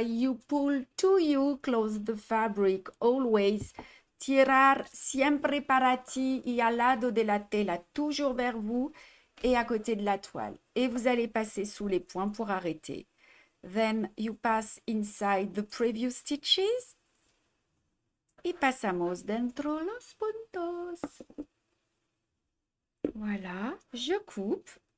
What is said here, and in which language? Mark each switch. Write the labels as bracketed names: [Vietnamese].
[English] You pull to you, close the fabric, always. [Spanish] Tirar siempre para ti y al lado de la tela. [French] Toujours vers vous et à côté de la toile. Et vous allez passer sous les points pour arrêter. [English] Then you pass inside the previous stitches. [Spanish] Y pasamos dentro los puntos. [French] Voilà, je coupe.